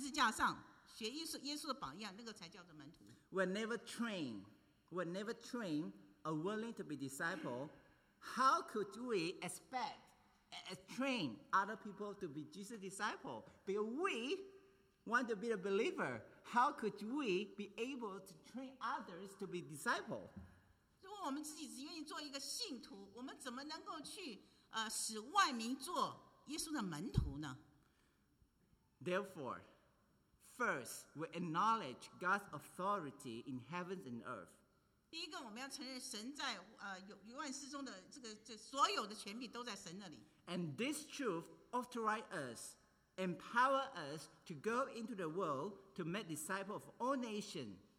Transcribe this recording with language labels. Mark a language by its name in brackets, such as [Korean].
[Chinese] 所谓信徒就是要学耶稣的榜样，就是在死在把自己老我钉在十字架上，学耶稣的榜样，那个才叫做门徒。 [English] We're never trained or willing to be disciple. How could we expect train other people to be Jesus' disciple? But we want to be a believer. How could we be able to train others to be disciple? [Chinese] 如果我们自己只愿意做一个信徒，我们怎么能够去使万民做耶稣的门徒呢？ [English] Therefore, first we acknowledge God's authority in heavens and earth. [Chinese] 第一个，我们要承认神在万事中的这所有的权柄都在神那里。 [English] And this truth authorizes us, empower us to go into the world to make disciples of all nations.